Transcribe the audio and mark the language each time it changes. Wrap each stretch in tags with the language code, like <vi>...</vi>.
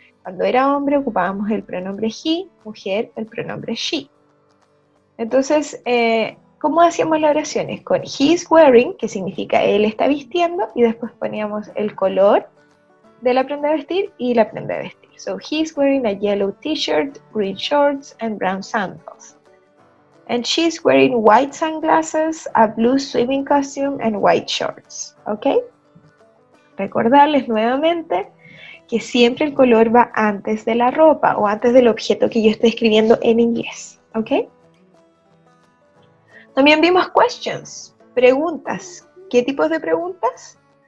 <es>Cuando era hombre ocupábamos el pronombre he, mujer el pronombre she. Entonces, ¿cómo hacíamos las oraciones? Con</es> <en>he's wearing,</en> <es>que significa él está vistiendo, y después poníamos el color de la prenda de vestir y la prenda de vestir.</es> <en>So, he's wearing a yellow t-shirt, green shorts, and brown sandals. And she's wearing white sunglasses, a blue swimming costume, and white shorts. ¿Ok?</en> <es>Recordarles nuevamente que siempre el color va antes de la ropa o antes del objeto que yo estoy escribiendo en inglés. ¿Ok? También vimos questions, preguntas. ¿Qué tipos de preguntas?</es>